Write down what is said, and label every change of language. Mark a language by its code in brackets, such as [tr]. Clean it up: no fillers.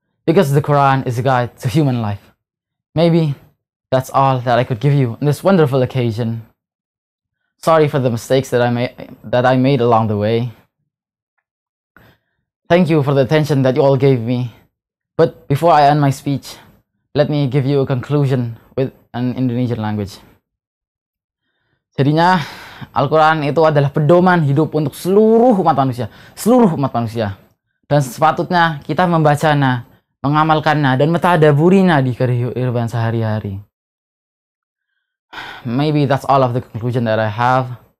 [en] Because the Quran is a guide to human life. Maybe that's all that I could give you on this wonderful occasion. Sorry for the mistakes that I made along the way. Thank you for the attention that you all gave me. But before I end my speech, let me give you a conclusion with an Indonesian language. [id] Jadinya, Al-Quran itu adalah pedoman hidup untuk seluruh umat manusia. Seluruh umat manusia. Dan sepatutnya kita membacanya, mengamalkannya, dan mentadaburinya di kehidupan sehari-hari. [en] Maybe that's all of the conclusion that I have.